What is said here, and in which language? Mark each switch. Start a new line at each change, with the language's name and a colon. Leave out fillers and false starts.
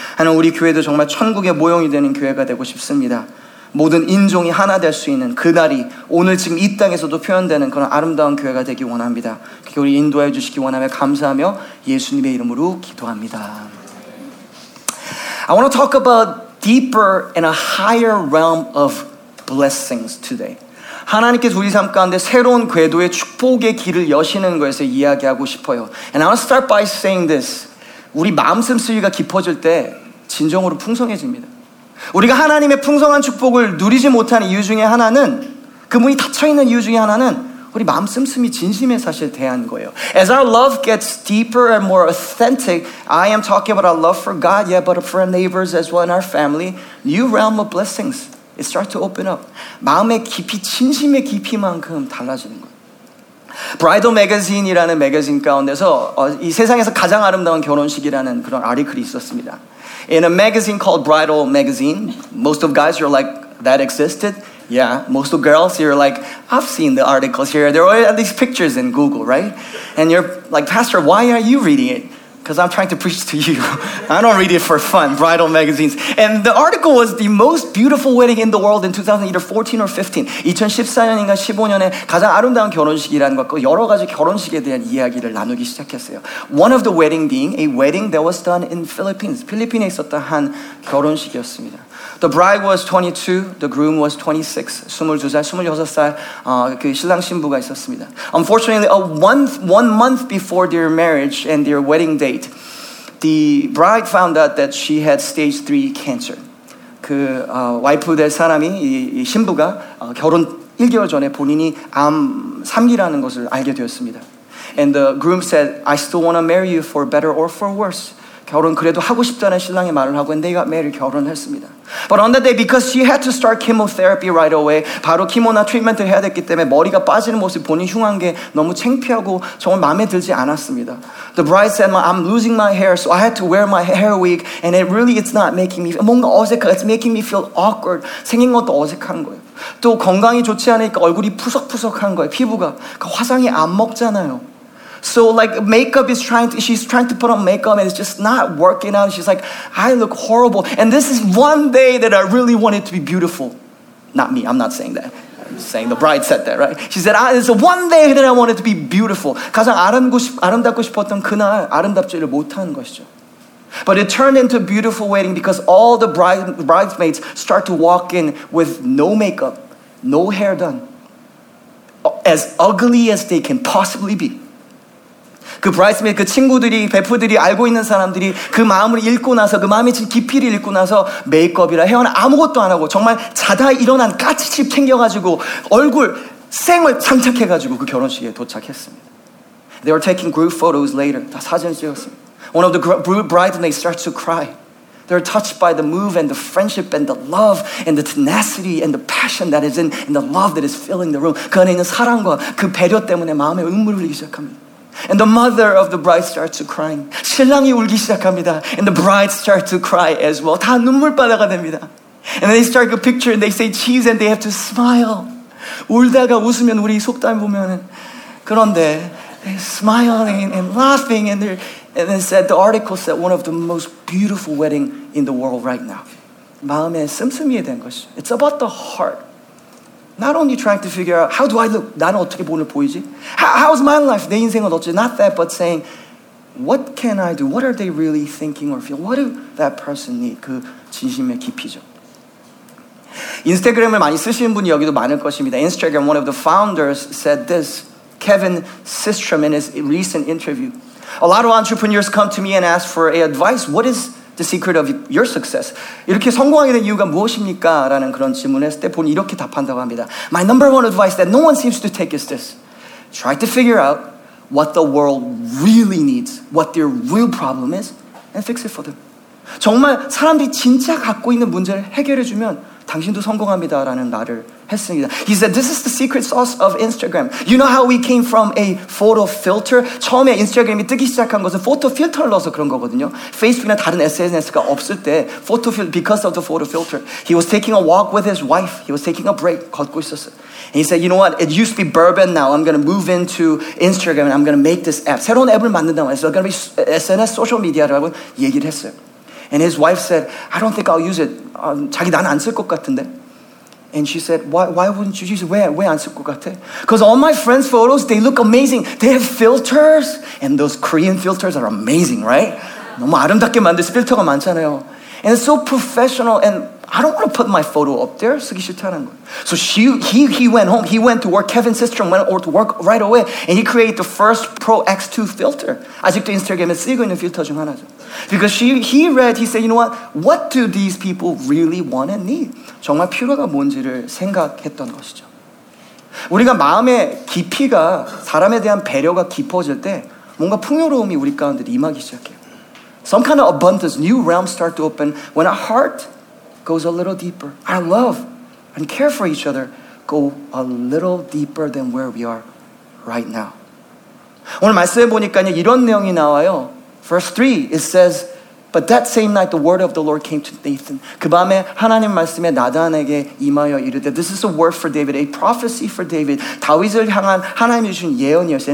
Korean: 하나님 우리 교회도 정말 천국의 모형이 되는 교회가 되고 싶습니다. 모든 인종이 하나 될 수 있는 그날이 오늘 지금 이 땅에서도 표현되는 그런 아름다운 교회가 되기 원합니다. 그게 우리 인도해 주시기 원하며 감사하며 예수님의 이름으로 기도합니다.
English: I want to talk about deeper and a higher realm of blessings today.
Korean: 하나님께서 우리 삶 가운데 새로운 궤도의 축복의 길을 여시는 것에서 이야기하고 싶어요.
English: And I want to start by saying this.
Korean: 우리 마음 씀씀이가 깊어질 때 진정으로 풍성해집니다. 우리가 하나님의 풍성한 축복을 누리지 못하는 이유 중에 하나는 그 문이 닫혀있는 이유 중에 하나는 우리 마음 씀씀이 진심에 사실 대한 거예요.
English: As our love gets deeper and more authentic, I am talking about our love for God, yeah, but for our neighbors as well and our family, new realm of blessings, it starts to open up.
Korean: 마음의 깊이, 진심의 깊이만큼 달라지는 거예요. Bridal Magazine이라는 매거진 가운데서 이 세상에서 가장 아름다운 결혼식이라는 그런 아티클이 있었습니다.
English: In a magazine called Bridal Magazine, most of guys are like, that existed. Yeah, most of girls here are like, I've seen the articles here. There are at least pictures in Google, right? And you're like, Pastor, why are you reading it? Because I'm trying to preach to you. I don't read it for fun, bridal magazines. And the article was the most beautiful wedding in the world in 2014 or 15.
Korean: 2014년인가 15년에 가장 아름다운 결혼식이라는 것과 여러 가지 결혼식에 대한 이야기를 나누기 시작했어요.
English: One of the wedding being a wedding that was done in Philippines.
Korean: 필리핀에 있었던 한 결혼식이었습니다.
English: The bride was 22, the groom was 26.
Korean: 22살, 26살 그 신랑 신부가 있었습니다.
English: Unfortunately, one month before their marriage and their wedding date, the bride found out that she had stage 3 cancer.
Korean: 그 와이프 될 사람이 이 신부가 결혼 1개월 전에 본인이 암 3기라는 것을 알게 되었습니다. And the groom said, I still want to marry you for better or for worse. 결혼 그래도 하고 싶다는 신랑의 말을 하고
English: and they got married,
Korean: 결혼했습니다.
English: But on that day, because she had to start chemotherapy right away,
Korean: 바로 키모나 트리트먼트를 해야 됐기 때문에 머리가 빠지는 모습 본인 흉한 게 너무 창피하고 정말 마음에 들지 않았습니다.
English: The bride said, I'm losing my hair, so I had to wear my hair wig, and it really, it's not making me,
Korean: 뭔가 어색해,
English: it's making me feel awkward.
Korean: 생긴 것도 어색한 거예요. 또 건강이 좋지 않으니까 얼굴이 푸석푸석한 거예요, 피부가. 그러니까 화장이 안 먹잖아요.
English: So like makeup is trying to, she's trying to put on makeup and it's just not working out. She's like, I look horrible. And this is one day that I really wanted to be beautiful. Not me, I'm not saying that. I'm saying the bride said that, right? She said, it's one day that I wanted to be beautiful.
Korean: 가장 아름답고 싶었던 그날 아름답지를 못한 것이죠.
English: But it turned into a beautiful wedding because all the bridesmaids start to walk in with no makeup, no hair done. As ugly as they can possibly be.
Korean: 그 브라이드메이드 그 친구들이 베프들이 알고 있는 사람들이 그 마음을 읽고 나서 그 마음의 깊이를 읽고 나서 메이크업이라 헤어나 아무것도 안 하고 정말 자다 일어난 까치칩 챙겨가지고 얼굴 생얼 장착해가지고 그 결혼식에 도착했습니다.
English: They were taking group photos later.
Korean: 다 사진 찍었습니다.
English: One of the bridesmaids starts to cry. They're touched by the move and the friendship and the love and the tenacity and the passion that is in and the love that is filling the room.
Korean: 그 안에 있는 사랑과 그 배려 때문에 마음에 눈물을 흘리기 시작합니다.
English: And the mother of the bride starts to crying.
Korean: 신랑이 울기 시작합니다.
English: And the bride starts to cry as well.
Korean: 다 눈물바다가 됩니다.
English: And they start a picture and they say cheese and they have to smile.
Korean: 울다가 웃으면 우리 속담 보면은 그런데
English: they're smiling and laughing and they said the article said one of the most beautiful wedding in the world right now.
Korean: 마음에 씀씀이 된 것이.
English: It's about the heart. Not only trying to figure out, how do I look?
Korean: 나는 어떻게 오늘 보이지?
English: How's my life?
Korean: 내 인생은 어찌?
English: Not that, but saying, what can I do? What are they really thinking or feeling? What do that person need?
Korean: 그 진심의 깊이죠. 인스타그램을 많이 쓰시는 분이 여기도 많을 것입니다.
English: Instagram, one of the founders said this, Kevin Systrom in his recent interview. A lot of entrepreneurs come to me and ask for advice. What is the secret of your success.
Korean: 이렇게 성공하게 된 이유가 무엇입니까? 라는 그런 질문을 했을 때 본인이 이렇게 답한다고 합니다.
English: My number one advice that no one seems to take is this. Try to figure out what the world really needs, what their real problem is, and fix it for them.
Korean: 정말 사람들이 진짜 갖고 있는 문제를 해결해주면 당신도 성공합니다. 라는 말을 했습니다.
English: He said, this is the secret sauce of Instagram. You know how we came from a photo filter?
Korean: 처음에 인스타그램이 뜨기 시작한 것은 포토 필터를 넣어서 그런 거거든요. Facebook이나 다른 SNS가 없을 때
English: photo filter, because of the photo filter. He was taking a walk with his wife. He was taking a break.
Korean: 걷고 있었어요.
English: And he said, you know what? It used to be bourbon now. I'm going to move into Instagram and I'm going to make this app.
Korean: 새로운 앱을 만든다고 해서
English: going to be SNS, social media라고
Korean: 얘기를 했어요.
English: And his wife said, I don't think I'll use it.
Korean: 자기 난 안 쓸 것 같은데.
English: And she said, why wouldn't you use it?
Korean: 왜 안 쓸 것 같아?
English: Because all my friends' photos, they look amazing. They have filters. And those Korean filters are amazing, right?
Korean: 너무 아름답게 만들 필터가 많잖아요.
English: And it's so professional. And I don't want to put my photo up there.
Korean: 쓰기 싫다는 거.
English: So he went home. He went to work. Kevin Systrom went over to work right away. And he created the first Pro X2 filter.
Korean: 아직도 인스타그램에 쓰고 있는 필터 중 하나죠.
English: Because he read, he said, you know what? What do these people really want and need?
Korean: 정말 필요가 뭔지를 생각했던 것이죠. 우리가 마음의 깊이가, 사람에 대한 배려가 깊어질 때 뭔가 풍요로움이 우리 가운데 임하기 시작해요.
English: Some kind of abundance, new realms start to open when our heart goes a little deeper. Our love and care for each other go a little deeper than where we are right now.
Korean: 오늘 말씀해 보니까요, 이런 내용이 나와요.
English: Verse 3, it says, But that same night the word of the Lord came to Nathan.
Korean: 그 밤에 하나님 말씀에 나단에게 임하여 이르되.
English: This is a word for David, a prophecy for David.
Korean: 다윗을 향한 하나님이 주신 예언이었어요.